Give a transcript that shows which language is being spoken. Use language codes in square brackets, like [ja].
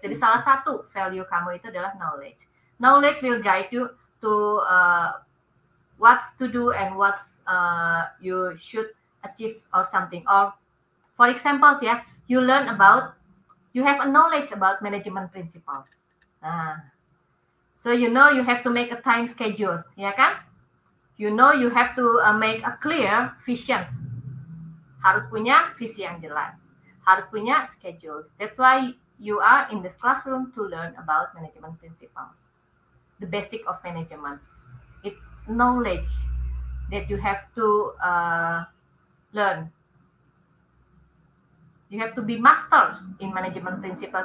[id] Jadi salah satu value kamu itu adalah knowledge. [en] Knowledge will guide you to what to do and what you should achieve or something. Or for examples ya, you learn about, you have a knowledge about management principles. So you know you have to make a time schedule, [id] ya kan? [en] You know you have to make a clear vision. [id] Harus punya visi yang jelas. Harus punya schedule. [en] That's why you are in this classroom to learn about management principles. The basic of management. It's knowledge that you have to learn. You have to be master in management principle.